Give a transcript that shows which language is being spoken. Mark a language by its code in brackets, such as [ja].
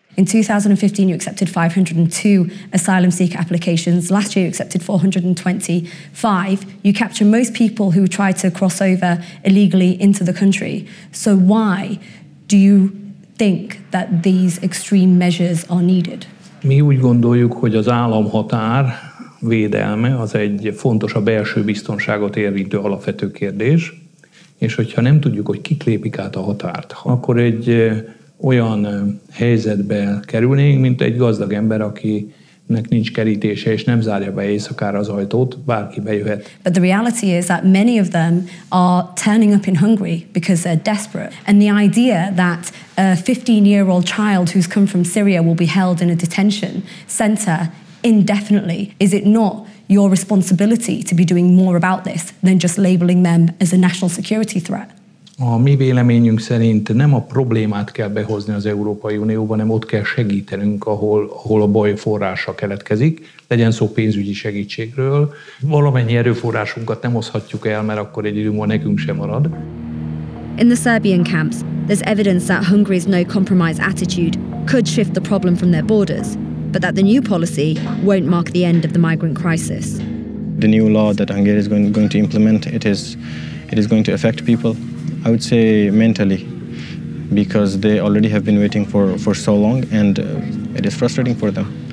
[en] In 2015, you accepted 502 asylum seeker applications. Last year, you accepted 425. You capture most people who try to cross over illegally into the country. So why do you think that these extreme measures are needed? [hu] Mi úgy gondoljuk, hogy az államhatár védelme az egy fontos a belső biztonságot érintő alapvető kérdés, és hogyha nem tudjuk, hogy kik lépik át a határt, akkor egy olyan helyzetbe kerülnénk, mint egy gazdag ember, akinek nincs kerítése, és nem zárja be éjszakára az ajtót, bárki bejöhet. [en] But the reality is that many of them are turning up in Hungary because they're desperate. And the idea that a 15-year-old child who's come from Syria will be held in a detention center indefinitely, is it not your responsibility to be doing more about this than just labeling them as a national security threat? [hu] A mi véleményünk szerint nem a problémát kell behozni az Európai Unióba, hanem ott kell segítenünk, ahol a baj forrása keletkezik. Legyen szó pénzügyi segítségről. Valamennyi erőforrásunkat nem oszhatjuk el, mert akkor egy idő múlva nekünk sem marad. [en] In the Serbian camps, there's evidence that Hungary's no-compromise attitude could shift the problem from their borders, but that the new policy won't mark the end of the migrant crisis. The new law that Hungary is going to implement, it is going to affect people. I would say mentally, because they already have been waiting for so long, and it is frustrating for them.